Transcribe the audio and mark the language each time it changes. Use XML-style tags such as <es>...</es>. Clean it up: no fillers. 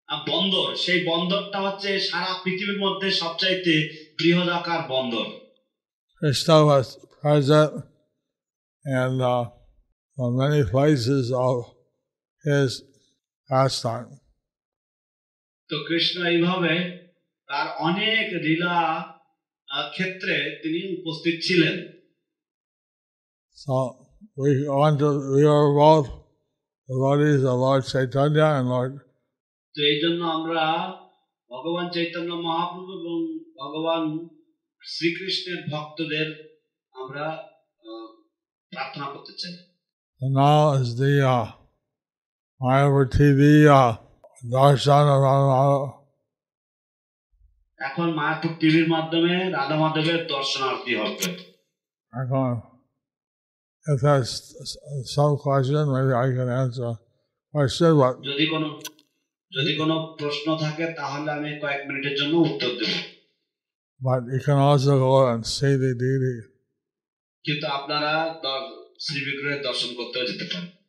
<bn>বন্দর সেই বন্দরটা হচ্ছে সারা পৃথিবীর মধ্যে সবচাইতে বৃহৎ আকার বন্দর.</bn> <en>Krishna was present and on many places of his pastime.</en> <bn>তো কৃষ্ণ এইভাবে তার অনেক লীলা ক্ষেত্রে তিনি উপস্থিত ছিলেন.</bn> <en>So we are both devotees of Lord Chaitanya and Lord.</en> <bn>তো এই জন্য আমরা ভগবান চৈতন্য মহাপ্রভু এবং ভগবান শ্রীকৃষ্ণের ভক্তদের আমরা প্রার্থনা করতে চাই.</bn> <en>Now is the Mayapur TV darshan of Radha Madhava.</en> <bn>এখন মায়াপুর টিভির মাধ্যমে রাধা মাধবের দর্শনার্থী হবে. এখন</bn> <en>if there's some question, maybe I can answer. I said what?</en> <bn>যদি কোনো প্রশ্ন থাকে তাহলে আমি কয়েক মিনিটের জন্য উত্তর দেব.</bn> <en>But you can also go and see the deity.</en> <bn>কিন্তু আপনারা শ্রী বিগ্রহের দর্শন করতে যেতে পারেন.</bn>